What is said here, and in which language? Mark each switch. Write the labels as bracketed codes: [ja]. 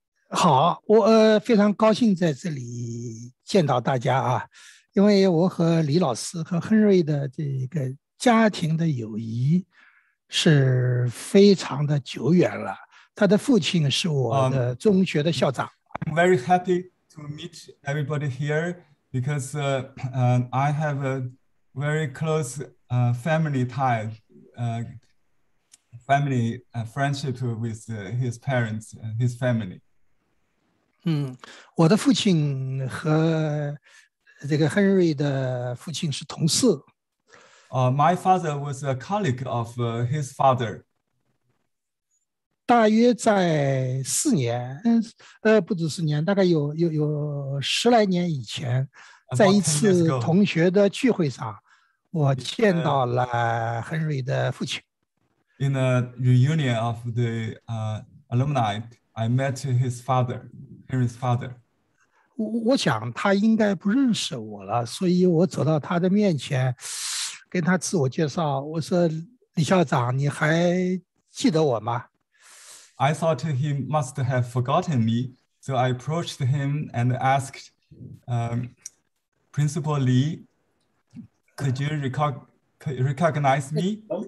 [zh] 好，我非常高兴在这里见到大家啊，因为我和李老师和亨瑞的这个家庭的友谊是非常的久远了。他的父亲是我的中学的校长。 [en] I'm very happy to meet everybody here because I have a very close family tie, family friendship with his parents and his family. [zh] 我的父亲和这个 Henry 的父亲是同事。 [en] My father was a colleague of his father. [zh] 大约在四年，不止四年，大概有十来年以前，在一次同学的聚会上，我见到了Henry的父亲。 [en] In a reunion of the alumni, I met his father, Henry's father. [zh] 我想他应该不认识我了，所以我走到他的面前，跟他自我介绍，我说：“李校长，你还记得我吗？” [en] I thought he must have forgotten me, so I approached him and asked, Principal Lee, could you recognize me?